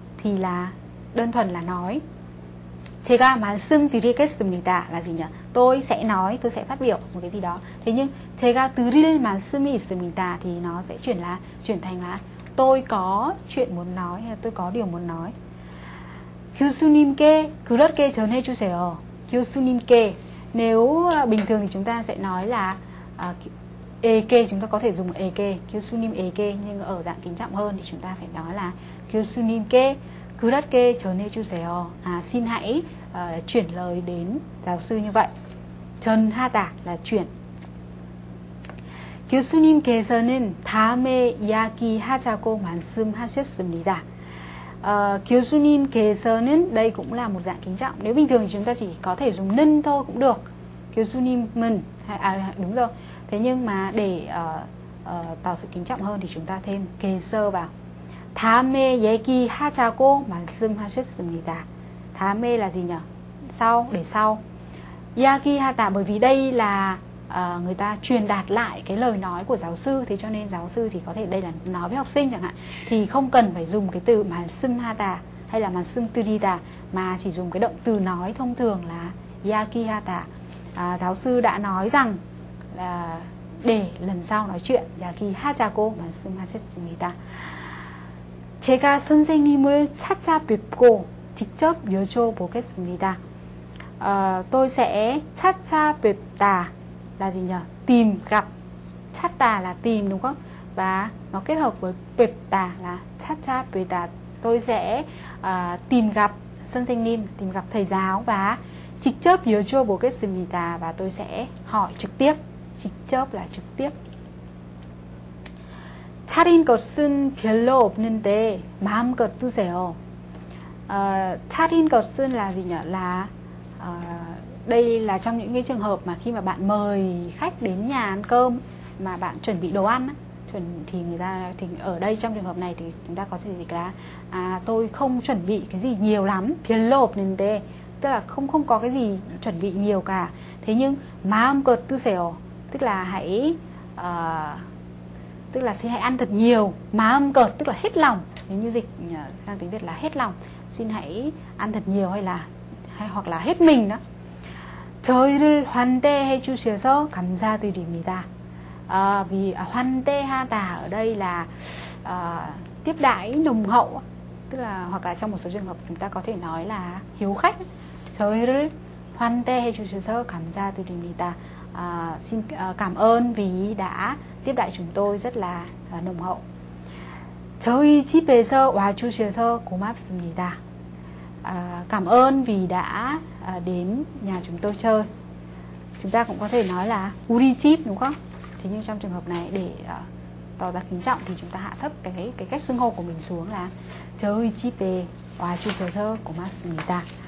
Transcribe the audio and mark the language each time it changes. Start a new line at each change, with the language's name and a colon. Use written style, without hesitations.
Vietnamese: thì là đơn thuần là nói.
Korean: 제가 말씀 드리겠습니다
Vietnamese: là gì nhỉ? Tôi sẽ nói, tôi sẽ phát biểu một cái gì đó. Thế nhưng
Korean: 제가 드릴 말씀이 있습니다
Vietnamese: thì nó sẽ chuyển thành là tôi có chuyện muốn nói hay là tôi có điều muốn nói.
Korean: 교수님께 그렇게 전해 주세요.
Vietnamese: 교수님께 nếu bình thường thì chúng ta sẽ nói là 에게 chúng ta có thể dùng 에게 교수님 에게 nhưng ở dạng kính trọng hơn thì chúng ta phải nói là
Korean: 교수님께 그렇게 전해 주세요.
Vietnamese: Xin hãy chuyển lời đến giáo sư như vậy. 전하다 là chuyển.
Korean: 교수님께서는 다음에 이야기하자고 말씀하셨습니다.
Vietnamese: 교수님께서는 đây cũng là một dạng kính trọng. Nếu bình thường thì chúng ta chỉ có thể dùng 는 thôi cũng được. 교수님은 đúng rồi. Thế nhưng mà để tỏ sự kính trọng hơn thì chúng ta thêm 계서 vào.
Korean: 다음에 얘기하자고 말씀하셨습니다.
Vietnamese: 다음에 là gì nhỉ? Sau, để sau. 이야기하다 bởi vì đây là người ta truyền đạt lại cái lời nói của giáo sư, thế cho nên giáo sư thì có thể đây là nói với học sinh chẳng hạn, thì không cần phải dùng cái từ 말씀하다 hay là 말씀드리다 mà chỉ dùng cái động từ nói thông thường là 이야기하다. Giáo sư đã nói rằng là để lần sau nói chuyện
Korean: 이야기하자고 말씀하셨습니다. 제가 선생님을 찾아뵙고 직접 여쭤보겠습니다.
Vietnamese: Tôi sẽ 찾아뵙다 là gì nhỉ? Tìm gặp. 찾다 là tìm đúng không? Và nó kết hợp với 뵙다 là 찾아뵙다. Tôi sẽ tìm gặp 선생님, tìm gặp thầy giáo và
Korean: 직접 여쭤보겠습니다
Vietnamese: và tôi sẽ hỏi trực tiếp. 직접 là trực tiếp.
Korean: 차린 것은 별로 없는데 마음껏 드세요. 차린 것은
Vietnamese: là gì nhỉ? Là đây là trong những cái trường hợp mà khi mà bạn mời khách đến nhà ăn cơm mà bạn chuẩn bị đồ ăn thì người ta thì ở đây trong trường hợp này thì chúng ta có thể dịch là tôi không chuẩn bị cái gì nhiều lắm.
Korean: 별로 없는데
Vietnamese: tức là không có cái gì chuẩn bị nhiều cả. Thế nhưng
Korean: 마음껏 드세요
Vietnamese: tức là hãy tức là xin hãy ăn thật nhiều, maamgeot tức là hết lòng, nếu như dịch sang tiếng Việt là hết lòng, xin hãy ăn thật nhiều hoặc là hết mình đó.
Korean: 저희를 환대해 주셔서 감사드립니다.
Vietnamese: Vì 환대하다 ở đây là tiếp đãi nồng hậu, tức là hoặc là trong một số trường hợp chúng ta có thể nói là hiếu khách.
Korean: 저희를 환대해 주셔서 감사드립니다.
Vietnamese: Xin cảm ơn vì đã tiếp đại chúng tôi rất là nồng hậu.
Korean: 저희 집에서 와주셔서 고맙습니다.
Vietnamese: Cảm ơn vì đã đến nhà chúng tôi chơi. Chúng ta cũng có thể nói là
Korean: 우리 집
Vietnamese: đúng không? Thế nhưng trong trường hợp này để tỏ ra kính trọng thì chúng ta hạ thấp cái cách xưng hô của mình xuống là
Korean: 저희 집에 와주셔서 고맙습니다.